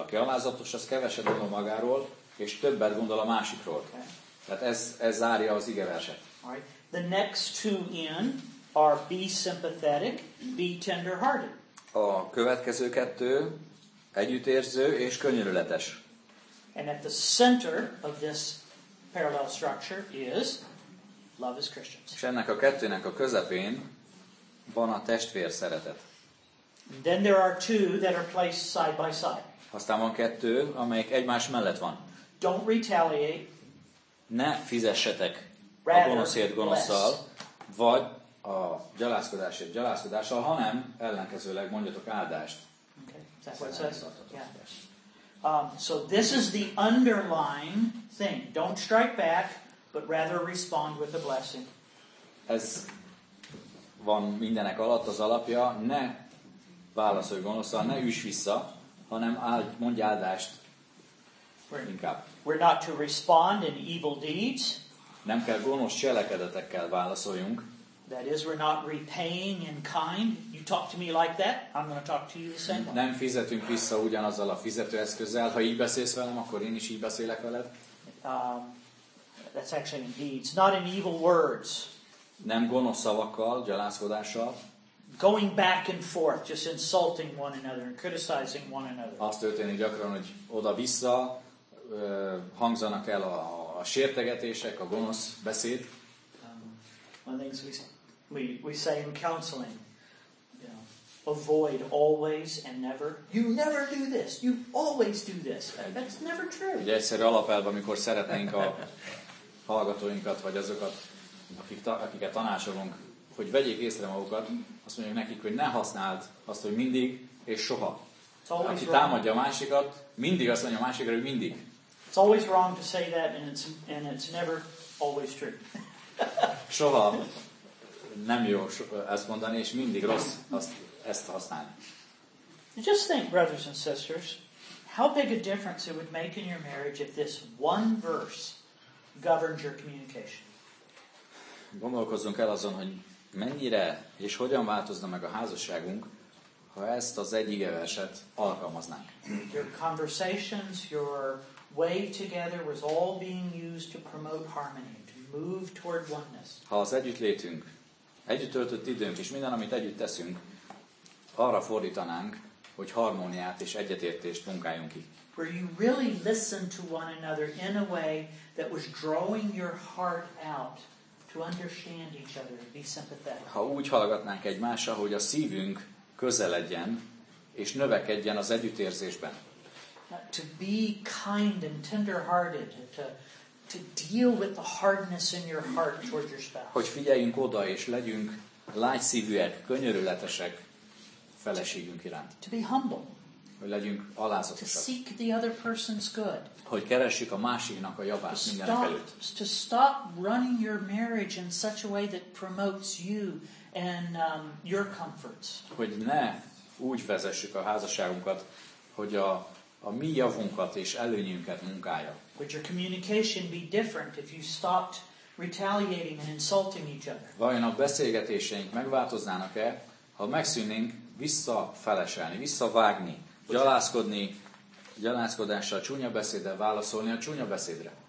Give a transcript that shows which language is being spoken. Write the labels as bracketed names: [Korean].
[Hungarian] Aki alázatos, az keveset gondol magáról, és többet gondol a másikról. Tehát ez zárja az igeverset. [English] The next two in are be sympathetic, be tender-hearted. [Hungarian] A következő kettő együttérző és könyörületes. [English] And at the center of this parallel structure is love is Christians. [Hungarian] És ennek a kettőnek a közepén van a testvér szeretet. [English] Then there are two that are placed side by side. [Hungarian] Aztán van kettő, amelyik egymás mellett van. [English] Don't retaliate. [Hungarian] Ne fizessetek rather a gonoszért gonoszsal, less. Vagy a gyalázkodásért gyalázkodással, hanem ellenkezőleg mondjatok áldást. [English] Okay. That's what it says. Yeah. So this is the underlying thing. Don't strike back, but rather respond with a blessing. [Hungarian] Ez van mindenek alatt az alapja, ne válaszolj gonoszal, ne üss vissza, hanem mondj áldást inkább. [English] We're not to respond in evil deeds. [Hungarian] Nem kell gonosz cselekedetekkel válaszoljunk. [English] That is, we're not repaying in kind. You talk to me like that, I'm going to talk to you the same. [Hungarian] Nem fizetünk vissza ugyanazzal a fizetőeszközzel. Ha így beszélsz velem, akkor én is így beszélek veled. [English] That's actually in deeds, not in evil words. [Hungarian] Nem gonosz szavakkal, gyalázkodással. [English] Going back and forth, just insulting one another and criticizing one another. [Hungarian] Azt történik gyakran, hogy oda-vissza hangzanak el a sértegetések, a gonosz beszéd. [English] One thing we say in counseling, avoid always and never. You never do this. You always do this. That's never true. [Hungarian] Ugye egyszerű alapelv, amikor szeretnénk a hallgatóinkat, vagy azokat, akiket tanácsolunk, hogy vegyék észre magukat, azt mondjuk nekik, hogy ne használd azt, hogy mindig és soha. Aki támadja a másikat, mindig azt mondja a másikra, hogy mindig. [English] It's always wrong to say that, and it's never always true. [Hungarian] Soha nem jó ezt mondani, és mindig rossz ezt használni. [English] Just think, brothers and sisters, how big a difference it would make in your marriage if this one verse governs your communication. [Hungarian] Gondolkozzunk el azon, hogy mennyire és hogyan változna meg a házasságunk, ha ezt az egy igeverset alkalmaznánk. [English] Your conversations, your way together was all being used to promote harmony, to move toward oneness. [Hungarian] Ha az együttlétünk, együtt töltött időnk és minden, amit együtt teszünk, arra fordítanánk, hogy harmóniát és egyetértést munkáljunk ki. [English] Where you really listened to one another in a way that was drawing your heart out to understand each other, be sympathetic. [Hungarian] Ha úgy hallgatnánk egymásra, hogy a szívünk közeledjen és növekedjen az együttérzésben. [English] To be kind and tender-hearted, to deal with the hardness in your heart towards your spouse. [Hungarian] Hogy figyeljünk oda és legyünk lágyszívűek, könyörületesek feleségünk iránt. [English] To be humble. [Hungarian] Hogy legyünk alázatosak. [English] To seek the other person's good. [Hungarian] Hogy keressük a másiknak a javát mindenekelőtt. [English] To stop running your marriage in such a way that promotes you and your comforts. [Hungarian] Hogy ne úgy vezessük a házasságunkat, hogy a mi javunkat és előnyünket munkálja. [English] Would your communication be different if you stopped retaliating and insulting each other? [Hungarian] Vajon a beszélgetéseink megváltoznának-e, ha megszűnnénk visszafeleselni, visszavágni, gyalászkodni, gyalászkodással, csúnya beszéddel válaszolni a csúnya beszédre?